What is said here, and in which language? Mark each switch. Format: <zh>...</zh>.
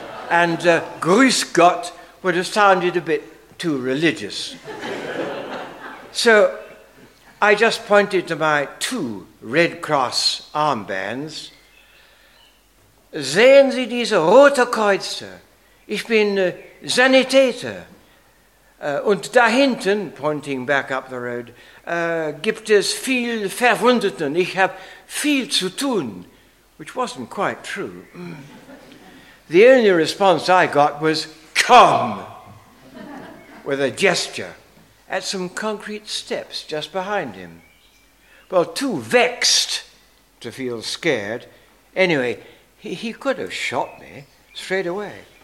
<en>And Grüß Gott would have sounded a bit too religious. So I just pointed to my two Red Cross armbands.</en> <de>Sehen Sie diese rote Kreuze? Ich bin Sanitäter. Und da hinten,</de> <en>pointing back up the road,</en> <de>gibt es viel Verwundeten. Ich habe viel zu tun.</de> <en>Which wasn't quite true. The only response I got was, come, with a gesture at some concrete steps just behind him. Well, too vexed to feel scared. Anyway, he could have shot me straight away.</en>